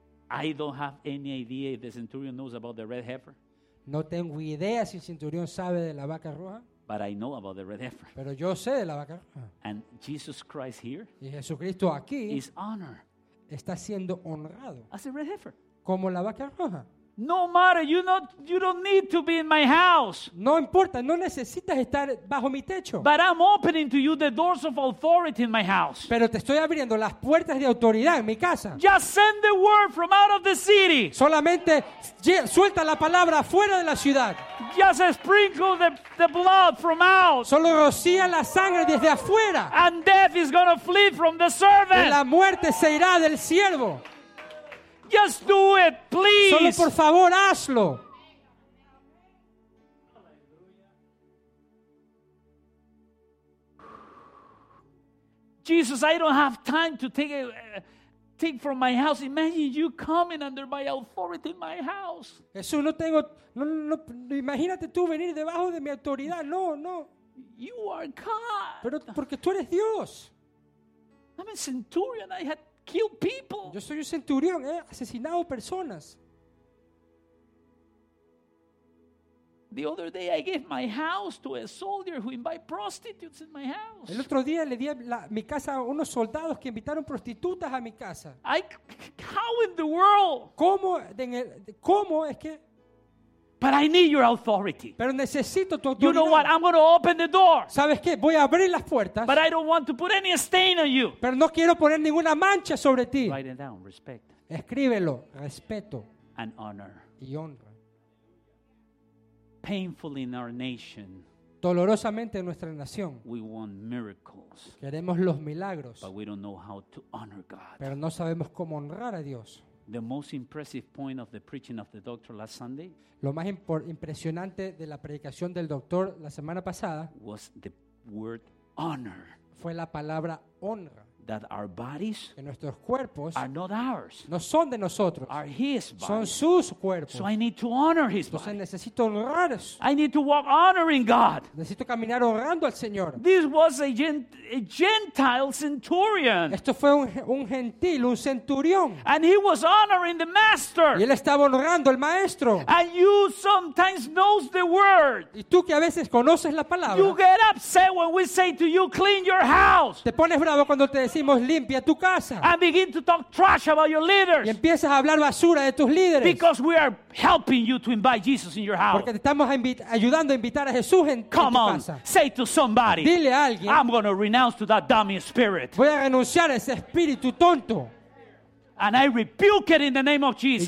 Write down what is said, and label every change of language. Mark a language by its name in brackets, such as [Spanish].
[English] I don't have any idea if the centurion knows about the red heifer. [Spanish] No tengo idea si el centurión sabe de la vaca roja. [English] But I know about the red heifer. [Spanish] Pero yo sé de la vaca roja. [English] And Jesus Christ here. [Spanish] Y Jesucristo aquí. [English] Is honor. [Spanish] Está siendo honrado. [English] As a red heifer. [Spanish] Como la vaca roja. [English] No matter, you don't need to be in my house. [Spanish] No importa, no necesitas estar bajo mi techo. [English] But I'm opening to you the doors of authority in my house. [Spanish] Pero te estoy abriendo las puertas de autoridad en mi casa. [English] Just send the word from out of the city. [Spanish] Solamente suelta la palabra fuera de la ciudad. [English] Just sprinkle the blood from out. [Spanish] Solo rocía la sangre desde afuera. [English] And death is going to flee from the servant. [Spanish] Y la muerte se irá del siervo. [English] Just do it, please. [Spanish] Solo por favor, hazlo. [English] Jesus, I don't have time to take from my house. Imagine you coming under my authority in my house. [Spanish] Jesús, no tengo, no. Imagínate tú venir debajo de mi autoridad. No, no. [English] You are God. [Spanish] Pero porque tú eres Dios. [English] I'm a centurion. I had. Kill people. [Spanish] Yo soy un centurión, he asesinado personas. [English] The other day I gave my house to a soldier who invited prostitutes in my house. [Spanish] El otro día le di mi casa a unos soldados que invitaron prostitutas a mi casa. [English] How in the world? [Spanish] ¿Cómo es que? [English] But I need your authority. [Spanish] Pero necesito tu autoridad. [English] You know what? I'm going to open the door. [Spanish] ¿Sabes qué? Voy a abrir las puertas. [English] But I don't want to put any stain on you. [Spanish] Pero no quiero poner ninguna mancha sobre ti. [English] Write it down. Respect. [Spanish] Escríbelo. Respeto. [English] And honor. [Spanish] Y honra. [English] Painfully in our nation. [Spanish] Dolorosamente en nuestra nación. [English] We want miracles. [Spanish] Queremos los milagros. [English] But we don't know how to honor God. [Spanish] Pero no sabemos cómo honrar a Dios. [English] The most impressive point of the preaching of the doctor last Sunday. [Spanish] Lo más impresionante de la predicación del doctor la semana pasada [English] was the word honor. [Spanish] Fue la palabra honra. [English] That our bodies, [Spanish] que nuestros cuerpos, [English] are not ours. [Spanish] No son de nosotros. [English] Are his bodies. [Spanish] Son sus cuerpos. [English] So I need to honor his body. [Spanish] Entonces necesito honrar eso. [English] I need to walk honoring God. [Spanish] Necesito caminar honrando al Señor. [English] This was a Gentile centurion. [Spanish] Esto fue un gentil, un centurión. [English] And he was honoring the master. [Spanish] Y él estaba honrando al maestro. [English] And you sometimes knows the word. [Spanish] Y tú que a veces conoces la palabra. [English] You get upset when we say to you, clean your house. [Spanish] Te pones bravo cuando te decimos limpia tu casa. [English] And begin to talk trash about your leaders. [Spanish] Y empiezas a hablar basura de tus líderes. [English] Because we are helping you to invite Jesus in your house. [Spanish] Porque te estamos ayudando a invitar a Jesús en tu casa. [English] Come on, say to somebody. [Spanish] Dile a alguien. [English] I'm going to renounce to that dummy spirit. [Spanish] Voy a renunciar a ese espíritu tonto. [English] And I rebuke it in the name of Jesus.